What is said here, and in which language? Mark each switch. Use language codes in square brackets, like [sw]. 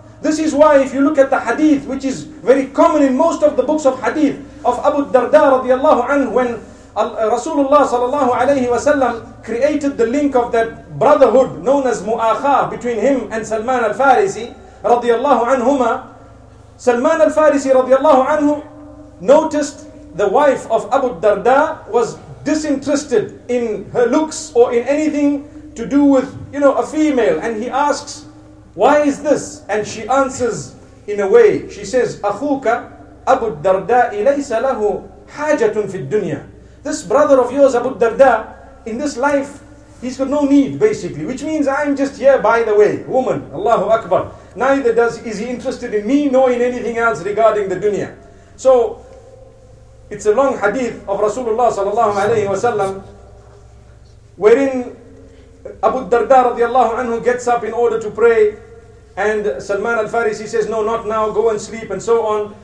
[en] This is why if you look at the hadith, which is very common in most of the books of hadith, of Abu Darda radiallahu anhu, when Rasulullah sallallahu alayhi wa sallam created the link of that brotherhood known as Mu'akha between him and Salman al-Farisi radiallahu anhuma, Salman al-Farisi radiallahu anhu noticed the wife of Abu Darda was disinterested in her looks or in anything to do with, you know, a female. And he asks, why is this? And she answers in a way. She says, [ar] أَخُوكَ أَبُو الدَّرْدَاءِ لَيْسَ لَهُ حَاجَةٌ فِي الدُّنْيَا. [en] This brother of yours, Abu Darda, in this life, he's got no need, basically. Which means I'm just here by the way, woman, Allahu Akbar. Neither is he interested in me nor in anything else regarding the dunya. So it's a long hadith of Rasulullah sallallahu alayhi wa sallam, wherein Abu Darda radiallahu anhu gets up in order to pray, and Salman al-Farisi says, no, not now, go and sleep, and so on.